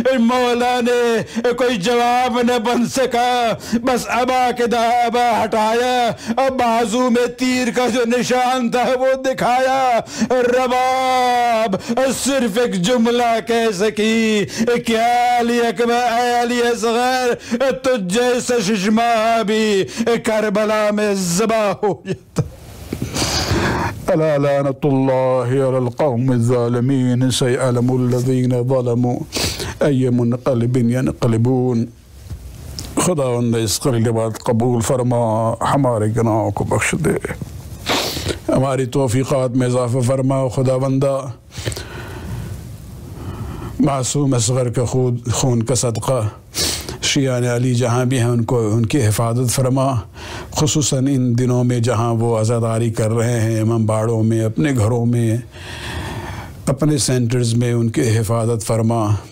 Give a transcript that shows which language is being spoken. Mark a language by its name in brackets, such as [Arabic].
[Urdu] مولا نے کوئی جواب نہ بن سکا, بس ابا کے دابا ہٹایا, اب بازو میں تیر کا جو نشان تھا وہ دکھایا. رباب صرف ایک جملہ کہہ سکی, کیا علی اکبر, اے علی اصغر تجھ جیسا ششما بھی کربلا میں ذبح ہو جاتا. [Arabic] الا لعنة الله على القوم الظالمين سيعلم الذين ظلموا اي منقلب ينقلبون. [Urdu] خداوند اصغر کی بات قبول فرما, ہمارے گناہوں کو بخش دے, ہماری توفیقات میں اضافہ فرما. خداوند معصوم اصغر کے خون کا صدقہ شیعان علی جہاں بھی ہیں ان کو ان کی حفاظت فرما, خصوصاً ان دنوں میں جہاں وہ عزاداری کر رہے ہیں امامباڑوں میں, اپنے گھروں میں, اپنے سینٹرز میں, ان کی حفاظت فرما.